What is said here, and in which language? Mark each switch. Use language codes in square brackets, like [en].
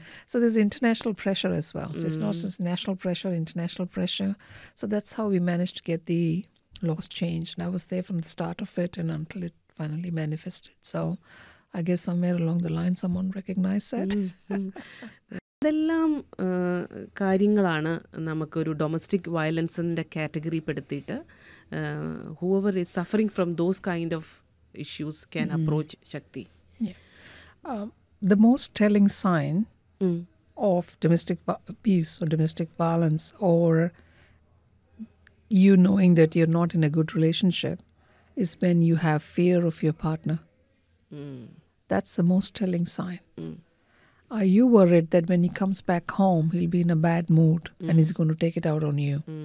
[en] So there's international pressure as well. So it's not just national pressure, international pressure. So that's how we managed to get the laws changed. And I was there from the start of it and until it finally manifested. So I guess somewhere along the line, someone recognized that. [ml] ഇതെല്ലാം കാര്യങ്ങളാണ് നമുക്കൊരു domestic വയലൻസിൻ്റെ category പെടുത്തിയിട്ട് [en] Whoever is suffering from those kind of issues can approach Shakthi. The most telling sign of domestic abuse or domestic violence or you knowing that you're not in a good relationship is when you have fear of your partner. That's the most telling sign. Are you worried that when he comes back home he'll be in a bad mood and he's going to take it out on you?